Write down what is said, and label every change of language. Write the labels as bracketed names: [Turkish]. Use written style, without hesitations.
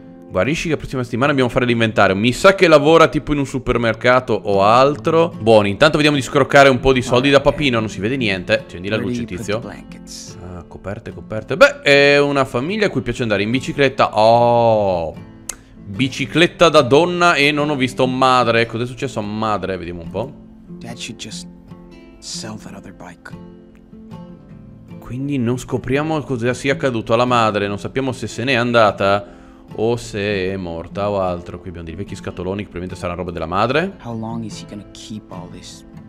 [Italian] Guarisci che la prossima settimana dobbiamo fare l'inventario. Mi sa che lavora tipo in un supermercato o altro. Buoni, intanto vediamo di scroccare un po' di soldi da papino. Non si vede niente. Accendi la luce, tizio. Coperte. Beh, è una famiglia a cui piace andare in bicicletta. Oh, bicicletta da donna e non ho visto madre. Cos'è successo a madre? Vediamo un po'. [English] Dad should just sell that other bike. [Italian] Quindi non scopriamo cosa sia accaduto alla madre. Non sappiamo se se n'è andata o se è morta o altro. Qui abbiamo dei vecchi scatoloni che probabilmente saranno roba della madre. [English] How long is he gonna keep all this?